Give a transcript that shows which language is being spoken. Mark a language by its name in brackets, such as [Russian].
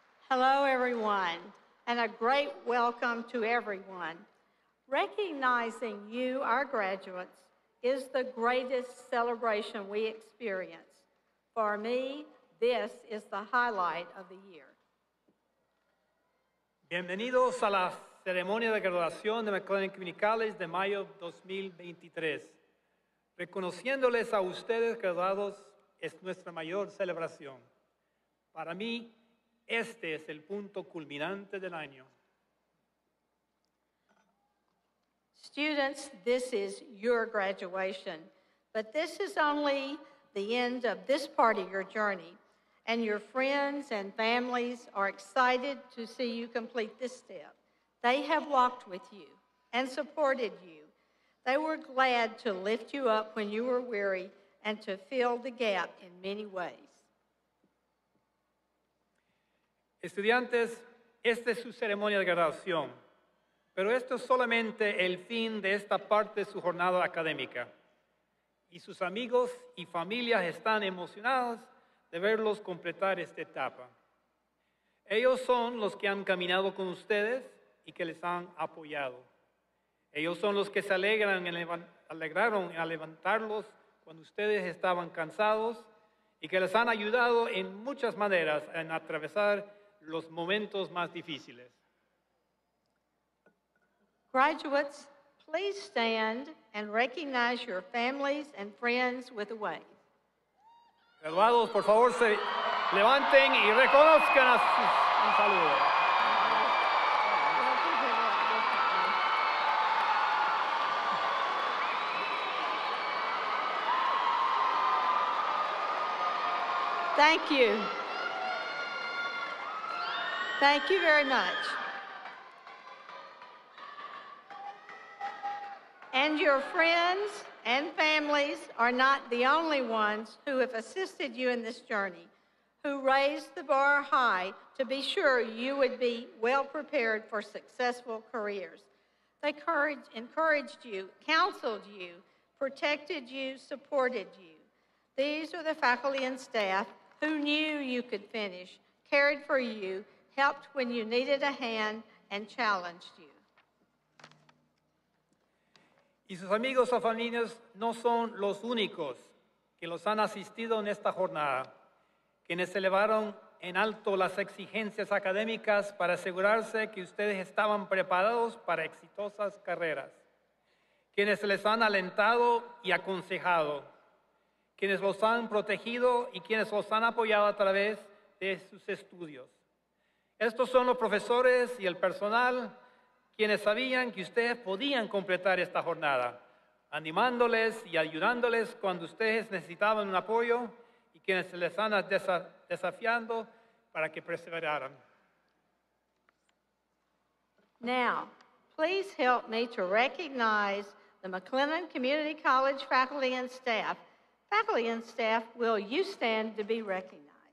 [English] Hello, everyone, and a great welcome to everyone. Recognizing you, our graduates, is the greatest celebration we experience. For me, this is the highlight of the year. [Spanish] Bienvenidos a la ceremonia de graduación de McLennan Community College de mayo 2023. Reconociéndoles a ustedes graduados es nuestra mayor celebración. Para mí, este es el punto culminante del año. [English] Students, this is your graduation, but this is only the end of this part of your journey, and your friends and families are excited to see you complete this step. They have walked with you and supported you. They were glad to lift you up when you were weary and to fill the gap in many ways. [Spanish] Estudiantes, esta es su ceremonia de graduación. Pero esto es solamente el fin de esta parte de su jornada académica. Y sus amigos y familias están emocionados de verlos completar esta etapa. Ellos son los que han caminado con ustedes y que les han apoyado. Ellos son los que se alegraron en levantarlos cuando ustedes estaban cansados y que les han ayudado en muchas maneras en atravesar los momentos más difíciles. [English] Graduates, please stand and recognize your families and friends with a wave. [Spanish] Graduados, por favor, se levanten y reconozcan a sus saludos. [English] Thank you. Thank you very much. And your friends and families are not the only ones who have assisted you in this journey. who raised the bar high to be sure you would be well prepared for successful careers. They encouraged you, counseled you, protected you, supported you. These are the faculty and staff who knew you could finish, cared for you, helped when you needed a hand, and challenged you. [Spanish] Y sus amigos sofanines no son los únicos que los han asistido en esta jornada, quienes elevaron en alto las exigencias académicas para asegurarse que ustedes estaban preparados para exitosas carreras, quienes les han alentado y aconsejado, quienes los han protegido y quienes los han apoyado a través de sus estudios. Estos son los profesores y el personal quienes sabían que ustedes podían completar esta jornada, animándoles y ayudándoles cuando ustedes necesitaban un apoyo y quienes se les han desafiando para que perseveraran. [English] Now, please help me to recognize the McLennan Community College faculty and staff. Faculty and staff, will you stand to be recognized?